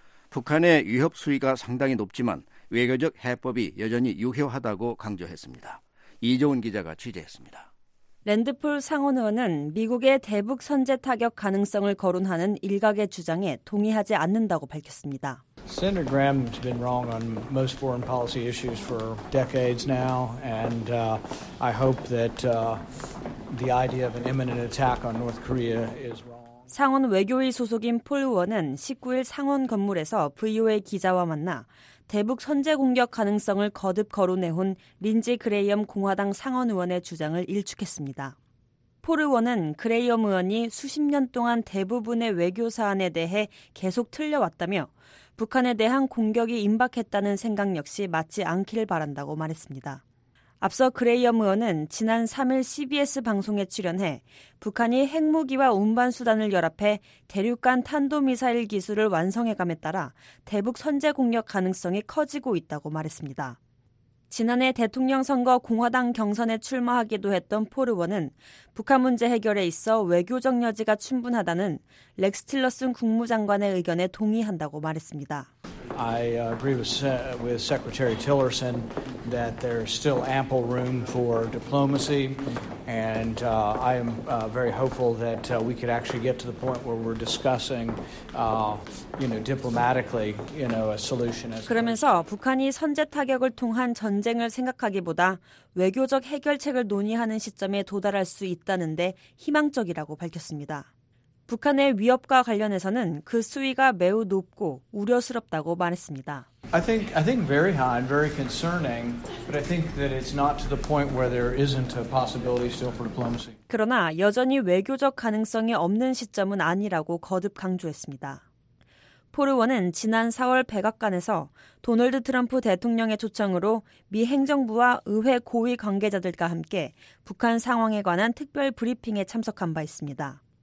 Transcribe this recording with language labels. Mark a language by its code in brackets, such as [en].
[ko] 북한의 위협 수위가 상당히 높지만 외교적 해법이 여전히 유효하다고 강조했습니다. 이종훈 기자가 취재했습니다. 랜드풀 상원 의원은 미국의 대북 선제 타격 가능성을 거론하는 일각의 주장에 동의하지 않는다고 밝혔습니다. [en] Senator Graham has been wrong on most foreign policy issues for decades now, and I hope that the idea of an imminent attack on North Korea is wrong. [ko] 상원 외교위 소속인 폴 의원은 19일 상원 건물에서 VOA 기자와 만나 대북 선제 공격 가능성을 거듭 거론해온 린지 그레이엄 공화당 상원 의원의 주장을 일축했습니다. 폴 의원은 그레이엄 의원이 수십 년 동안 대부분의 외교 사안에 대해 계속 틀려왔다며 북한에 대한 공격이 임박했다는 생각 역시 맞지 않길 바란다고 말했습니다. 앞서 그레이엄 의원은 지난 3일 CBS 방송에 출연해 북한이 핵무기와 운반수단을 결합해 대륙간 탄도미사일 기술을 완성해감에 따라 대북 선제 공격 가능성이 커지고 있다고 말했습니다. 지난해 대통령 선거 공화당 경선에 출마하기도 했던 폴 의원은 북한 문제 해결에 있어 외교적 여지가 충분하다는 렉스 틸러슨 국무장관의 의견에 동의한다고 말했습니다. [en] I agree with Secretary Tillerson that there's still ample room for diplomacy, and I am very hopeful that we could actually get to the point where we're discussing, you know, diplomatically, you know, a solution. [ko] 그러면서 북한이 선제 타격을 통한 전쟁을 생각하기보다 외교적 해결책을 논의하는 시점에 도달할 수 있다는데 희망적이라고 밝혔습니다. 북한의 위협과 관련해서는 그 수위가 매우 높고 우려스럽다고 말했습니다. [en] I think very high and very concerning, but I think that it's not to the point where there isn't a possibility still for diplomacy. [ko] 그러나 여전히 외교적 가능성이 없는 시점은 아니라고 거듭 강조했습니다. 폴 의원은 지난 4월 백악관에서 도널드 트럼프 대통령의 초청으로 미 행정부와 의회 고위 관계자들과 함께 북한 상황에 관한 특별 브리핑에 참석한 바 있습니다.